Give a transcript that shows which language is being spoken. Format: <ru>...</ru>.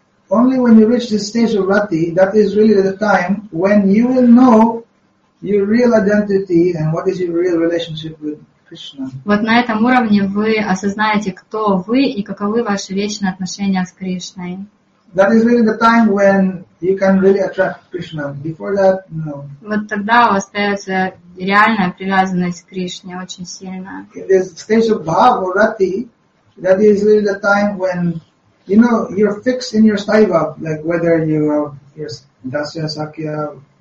<en>Only when you reach this stage of rati, that is really the time when you will know your real identity and what is your real relationship with Krishna.</en> <ru>Вот на этом уровне вы осознаете, кто вы и каковы ваши вечные отношения с Кришной.</ru> <en>That is really the time when you can really attract Krishna. Before that, no.</en> <ru>Вот тогда у вас остается реальная привязанность к Кришне, очень сильная.</ru> <en>In this stage of bhava or rati, that is really the time when, you know, you're fixed in your saiva, like whether you are dasya, sakya,</en>